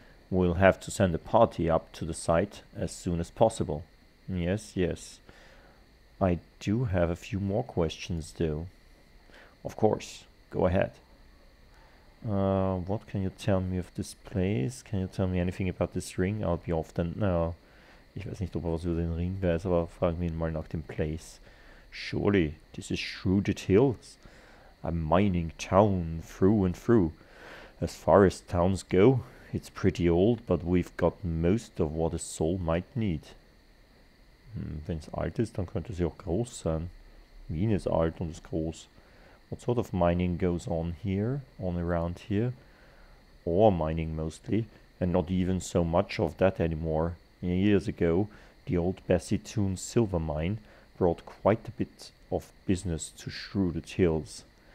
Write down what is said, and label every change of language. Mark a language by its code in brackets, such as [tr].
[en] We'll have to send a party up to the site as soon as possible. Yes. I do have a few more questions, though. Of course, go ahead. What can you tell me of this place? Can you tell me anything about this ring? I'll be off then. [de] Naja, ich weiß nicht, ob er was über den Ring weiß, aber fragen wir ihn mal nach dem Place. [en] Surely, this is Shrouded Hills. A mining town through and through. As far as towns go, it's pretty old, but we've got most of what a soul might need. [de] Wenn es alt ist, dann könnte sie auch groß sein. Wien ist alt und ist groß. [en] What sort of mining goes on here, on around here? Ore mining mostly, and not even so much of that anymore. Years ago, the old Bassetoon silver mine brought quite a bit of business to Shrouded Hills.